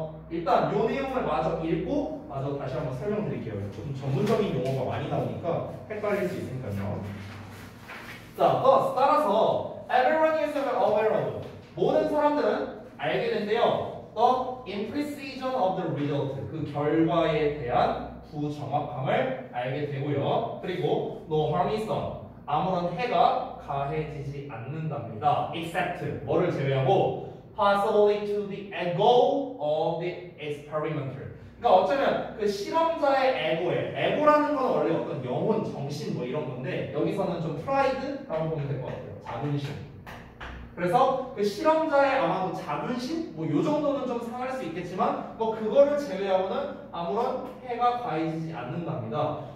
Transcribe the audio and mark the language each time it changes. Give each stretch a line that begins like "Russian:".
Korean: 일단 요 내용을 마저 읽고 마저 다시 한번 설명드릴게요. 조금 전문적인 용어가 많이 나오니까 헷갈릴 수 있으니까요. 자, 따라서
English: everyone is aware of
Korean: 모든 사람들은 알게 된대요.
English: The imprecision of the result
Korean: 그 결과에 대한 부정확함을 알게 되고요. 그리고
English: no harm is done.
Korean: 아무런 해가 가해지지 않는답니다.
English: Except
Korean: 뭐를 제외하고
English: possibly to the ego of the experimenter.
Korean: 그러니까 어쩌면 그 실험자의 에고에 에고라는 건 원래 어떤 영혼, 정신 뭐 이런 건데 여기서는 좀 프라이드라고 보면 될 것 같아요. 자존심. 그래서 그 실험자의 아마도 자존심 뭐 요 정도는 좀 상할 수 있겠지만 뭐 그거를 제외하고는 아무런 해가 가해지지 않는답니다.